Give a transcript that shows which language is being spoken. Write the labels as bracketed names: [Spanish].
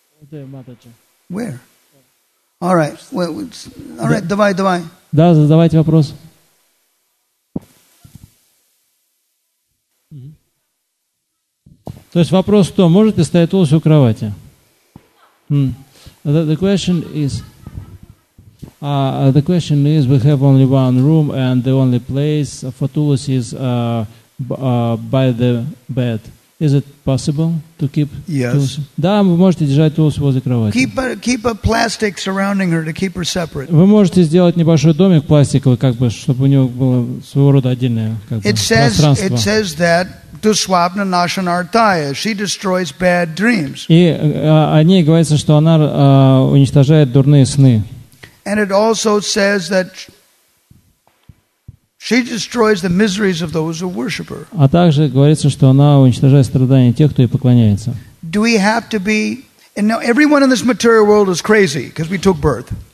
[English] There, Матача. Where? All right. All right, [Russian] давай. Да, задавайте вопрос. То есть вопрос в том, может ли стоять туласи у кровати? [English] The question is, we have only one room and the only place for tulasi is by the bed. Is it possible to keep? Yes. [Russian] Да, вы можете держать тулас возле кровати. [English] Keep a plastic surrounding her to keep her separate. [Russian] Вы можете сделать небольшой домик пластиковый, как бы, чтобы у нее было своего рода отдельное пространство. [English] It says that [Sanskrit] Duswapna Nashanartaya. [English] She destroys bad dreams. [Russian] И о ней говорится, что она уничтожает дурные сны. [English] And it also says that she destroys the miseries of those who worship her. [Russian] А также говорится, что она уничтожает страдания тех, кто ей поклоняется. [English] Do we have to be? And now everyone in this material world is crazy because we took birth.